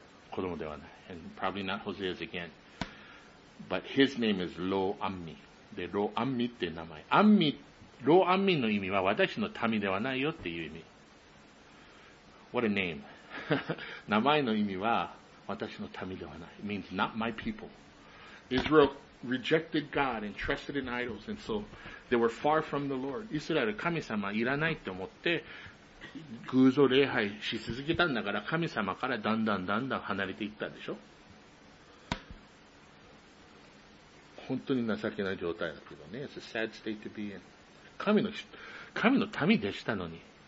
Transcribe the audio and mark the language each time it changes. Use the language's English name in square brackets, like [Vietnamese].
[Japanese] 子供ではない。 [English] And probably not Hosea's again. But his name is Lo Ammi. [Japanese] で、Lo Ammi って名前。Ammi、Lo Ammi の意味は私の民ではないよっていう意味。 [English] What a name. [Japanese] 名前の意味は私の民ではない。 [English] It means not my people. Israel,rejected God and trusted in idols, and so they were far from the Lord. [Japanese] イスラエル、神様いらないと思って偶像礼拝し続けたんだから、神様からだんだんだんだん離れていったでしょ。本当に情けない状態だけどね。 [English] It's a sad state to be in. [Japanese] 神の民でしたのに。